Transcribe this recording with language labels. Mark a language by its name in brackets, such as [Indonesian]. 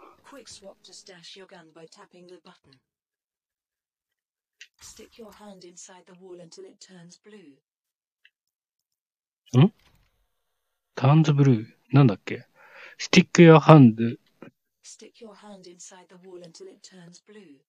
[English] Quick swap to stash your gun by tapping the button. Stick your hand inside the wall until it turns blue. ん？ [Japanese] ターンズブルー、なんだっけ？ [English] Stick your hand. Stick your hand inside the wall until it turns blue.